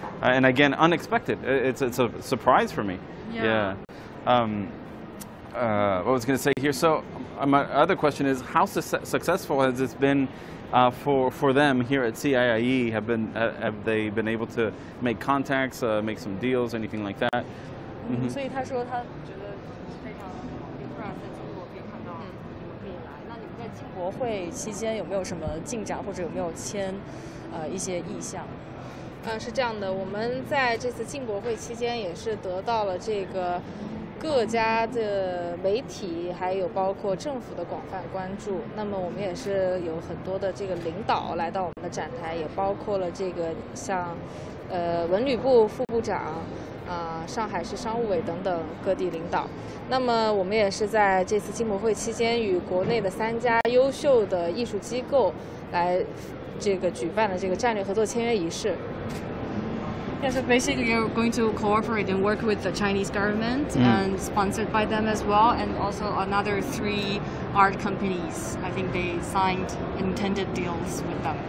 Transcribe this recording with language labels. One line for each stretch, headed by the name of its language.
English: And again, unexpected. It's a surprise for me. Yeah. What was I going to say here? So my other question is, how successful has this been for them here at CIIE? Have they been able to make contacts, make some deals, anything like that? Mm-hmm.
Chinese: 所以他说他觉得非常impressive，从我这边看到你们可以来。那你们在进博会期间有没有什么进展，或者有没有签一些意向？是这样的，我们在这次进博会期间也是得到了这个各家的媒体还有包括政府的广泛关注，那么我们也是有很多的这个领导来到我们的展台，也包括了这个像文旅部副部长上海市商务委等等各地领导。那么我们也是在这次进博会期间与国内的三家优秀的艺术机构来这个举办了这个战略合作签约仪式。
English: Yeah, so basically you're going to cooperate and work with the Chinese government and sponsored by them as well, and also another three art companies. I think they signed intended deals with them.